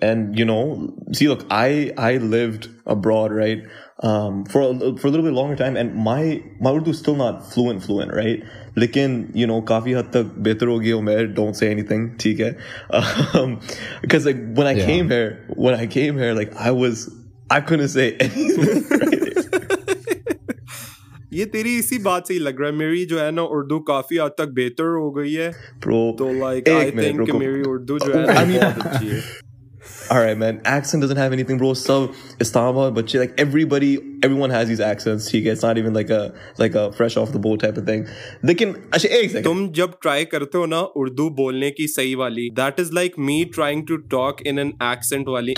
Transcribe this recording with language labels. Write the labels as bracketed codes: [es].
[en] And, you know, see, look, I lived abroad, right, for a little bit longer time. And my Urdu is still not fluent, right? [hi] Lekin, [en] you know, [hi] kafi had tak behtar ho gayi ho mere, [en] don't say anything, theek hai? Because, like, when I came here, like, I couldn't say anything, right? [hi] ये तेरी इसी बात से ही लग रहा है मेरी जो है ना उर्दू काफी हद तक बेहतर हो गई है [en] bro, [hi] तो [en] like I think [hi] कि मेरी उर्दू जो है ना बहुत अच्छी [en] है. All right, man. Accent doesn't have anything, bro. [hi] सब इस्लामाबाद बच्चे, [en] like everyone has these accents. [hi] ठीक है, [en] it's not even like a fresh off the boat type of thing. [hi] लेकिन अच्छा एक सेकंड. तुम जब try करते हो ना उर्दू बोलने की सही वाली, [en] that is like me trying to talk in an accent [hi] वाली.